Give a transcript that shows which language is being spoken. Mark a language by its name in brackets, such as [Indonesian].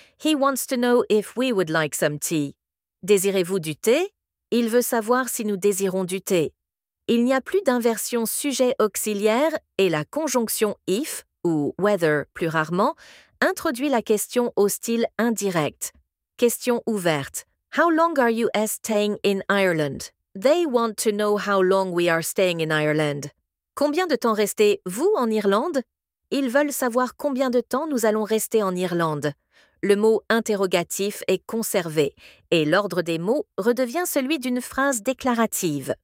[English] He wants to know if we would like some tea. [French] Désirez-vous du thé? Il veut savoir si nous désirons du thé. Il n'y a plus d'inversion sujet auxiliaire et la conjonction if ou whether plus rarement introduit la question au style indirect. Question ouverte. [English] How long are you staying in Ireland? They want to know how long we are staying in Ireland. [French] Combien de temps restez-vous en Irlande? Ils veulent savoir combien de temps nous allons rester en Irlande. Le mot interrogatif est conservé et l'ordre des mots redevient celui d'une phrase déclarative.